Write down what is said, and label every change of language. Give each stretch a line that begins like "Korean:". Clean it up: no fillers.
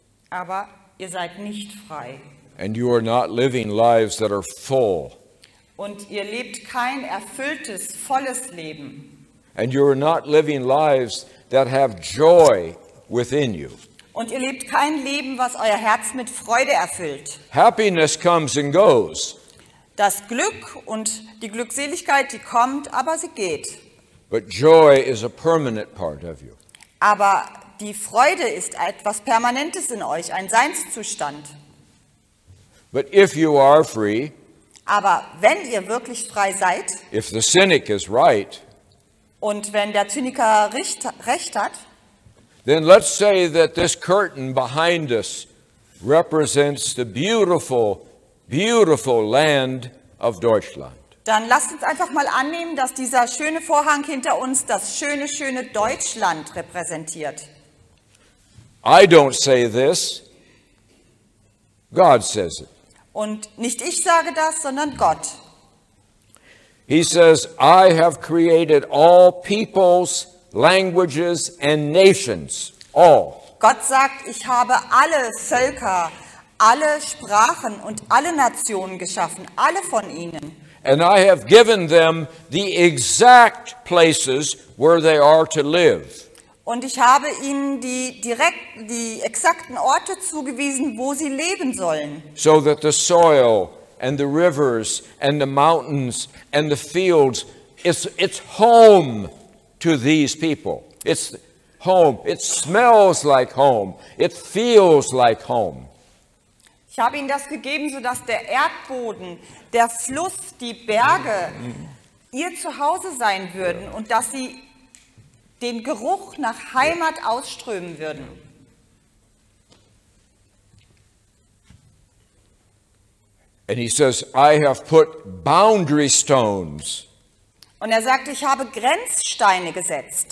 German: Aber ihr seid nicht frei.
English: And you are not living lives that are full.
German: Und ihr lebt kein erfülltes, volles Leben.
English: And you are not living lives that have joy within you.
German: Und ihr lebt kein Leben, was euer Herz mit Freude erfüllt.
English: Happiness comes and goes.
German: Das Glück und die Glückseligkeit, die kommt, aber sie geht.
English: But joy is a permanent part of you.
German: Aber die Freude ist etwas Permanentes in euch, ein Seinszustand.
English: But if you are free,
German: aber wenn ihr wirklich frei seid,
English: if the cynic is right,
German: und wenn der Zyniker recht hat,
English: then let's say that this curtain behind us represents the beautiful, beautiful land of Deutschland.
German: Dann lasst uns einfach mal annehmen, dass dieser schöne Vorhang hinter uns das schöne, schöne Deutschland repräsentiert.
English: I don't say this. God says it.
German: Und nicht ich sage das, sondern Gott.
English: He says, I have created all peoples, languages and nations. All.
German: Gott sagt, ich habe alle Völker, alle Sprachen und alle Nationen geschaffen, alle von ihnen.
English: And I have given them the exact places where they are to live.
German: Und ich habe ihnen die exakten Orte zugewiesen, wo sie leben sollen.
English: So that the soil and the rivers and the mountains and the fields, it's home to these people. It's home. It smells like home. It feels like home.
German: Ich habe ihnen das gegeben, so dass der Erdboden, der Fluss, die Berge ihr Zuhause sein würden und dass sie den Geruch nach Heimat ausströmen würden.
English: And he says, I have put boundary stones.
German: Und er sagt, ich habe Grenzsteine gesetzt.